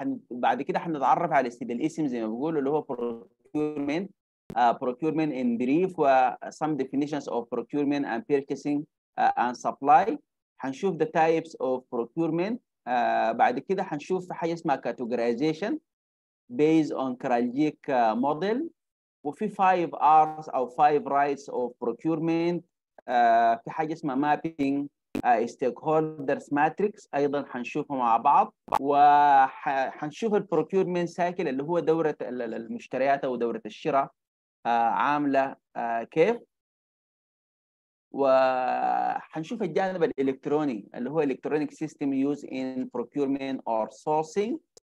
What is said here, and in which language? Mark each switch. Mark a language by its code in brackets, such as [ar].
[ar] بعد كده حنتعرف على الاسم زي ما بيقولوا اللي هو [en] procurement procurement in brief و some definitions of procurement and purchasing and supply. [ar] حنشوف [en] the types of procurement. [ar] بعد كده حنشوف حاجة اسمها [en] categorization based on Kralgic model. وفي 5 R's أو 5 rights of procurement. [ar] في حاجة اسمها [en] mapping stakeholders matrix [ar] أيضا حنشوفها مع بعض. وحنشوف [en] procurement cycle [ar] اللي هو دورة المشتريات أو دورة الشراء عاملة كيف، وحنشوف الجانب الإلكتروني اللي هو [en] electronic system used in procurement or sourcing.